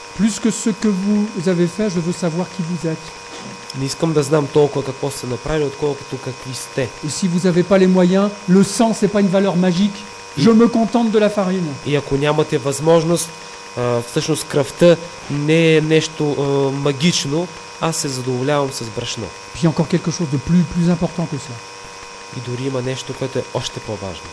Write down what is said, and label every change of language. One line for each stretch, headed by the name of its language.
French: Plus que ce que vous avez fait, je veux savoir qui vous êtes.
Bulgarian: Не искам да знам толкова какво сте направили, отколкото какви сте.
French: Et si vous avez pas les moyens, le sang c'est pas une valeur magique. Je me contente de la farine.
Bulgarian: И ако нямате възможност, всъщност кръвта не е нещо магично, аз се задоволявам с брашно.
French: Puis encore quelque chose de plus important que cela.
Bulgarian: И дори има нещо, което е още по-важно.